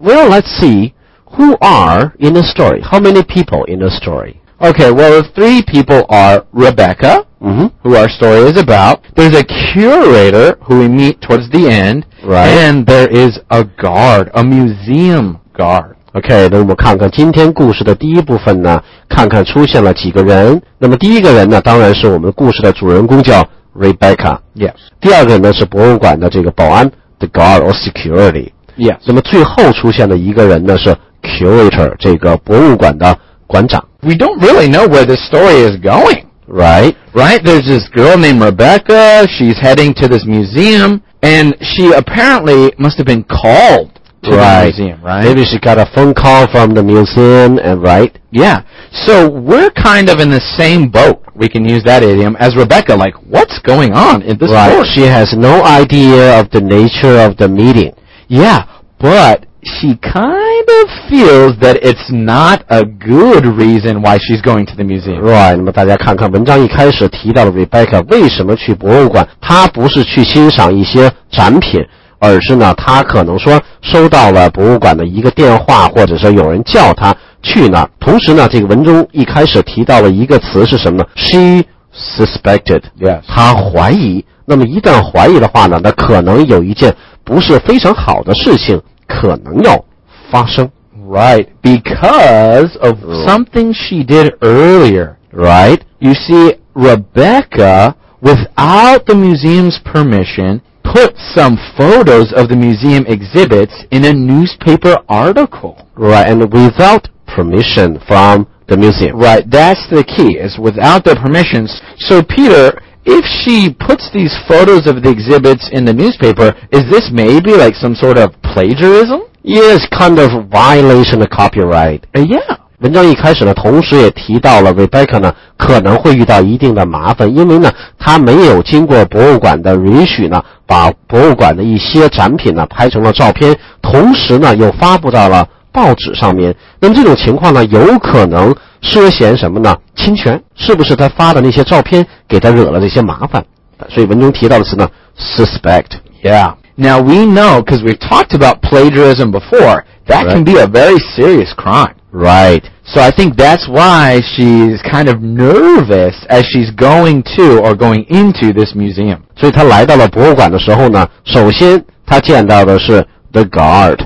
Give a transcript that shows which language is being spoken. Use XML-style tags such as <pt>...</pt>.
<en>Well, let's see who are in the story. How many people in the story? Okay, well, the three people are Rebecca,、 mm-hmm. who our story is about. There's a curator who we meet towards the end. Right. And there is a guard, a museum guard. OK,</en> <zh>那我们看看今天故事的第一部分呢看看出现了几个人。那么第一个人呢当然是我们故事的主人公叫 Rebecca。</zh> <en>Yes.</en> <zh>第二个人呢是博物馆的这个保安 ,</zh> <en>the guard or security。 Yes.</en> <zh>那么最后出现的一个人呢是 curator, 这个博物馆的馆长。</zh> <en>We don't really know where this story is going. Right. Right, there's this girl named Rebecca, she's heading to this museum, and she apparently must have been called. Right. Museum, right. Maybe she got a phone call from the museum, and right? Yeah. So we're kind of in the same boat, we can use that idiom, as Rebecca. Like, what's going on in this right. story? She has no idea of the nature of the meeting. Yeah, but she kind of feels that it's not a good reason why she's going to the museum. Right,</en> <zh>那么大家看看文章一开始提到了 Rebecca 为什么去博物馆，她不是去欣赏一些展品，而是呢，她可能说收到了博物馆的一个电话，或者说有人叫她去那儿。同时呢，这个文中一开始提到了一个词是什么呢？</zh> <en>She suspected. Yes.</en> <zh>她怀疑。那么一旦怀疑的话呢，那可能有一件不是非常好的事情可能要发生。</zh> <en>Right. Because of something she did earlier. Right. You see, Rebecca, without the museum's permission,put some photos of the museum exhibits in a newspaper article. Right, and without permission from the museum. Right, that's the key, is without their permissions. So Peter, if she puts these photos of the exhibits in the newspaper, is this maybe like some sort of plagiarism? Yes, kind of violation of copyright. Yeah.</en> <zh>文章一开始呢，同时也提到了 Rebecca 呢可能会遇到一定的麻烦，因为呢她没有经过博物馆的允许呢，把博物馆的一些展品呢拍成了照片，同时呢又发布到了报纸上面。那么这种情况呢，有可能涉嫌什么呢？侵权？是不是她发的那些照片给她惹了这些麻烦？所以文中提到的词呢 ，suspect。</zh> <en>Yeah. Now we know because we've talked about plagiarism before. That can be a very serious crime. Right. So I think that's why she's kind of nervous as she's going to or going into this museum.</en> <zh>所以她来到了博物馆的时候呢，首先她见到的是 the guard.</zh>